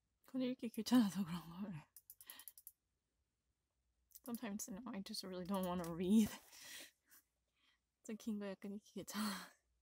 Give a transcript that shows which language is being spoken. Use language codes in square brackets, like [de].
[ko] 저는 읽기 귀찮아서 그런 걸. [en] Sometimes you know, I just really don't want to read. [ko] 좀 긴 거 약간 읽기 귀찮아.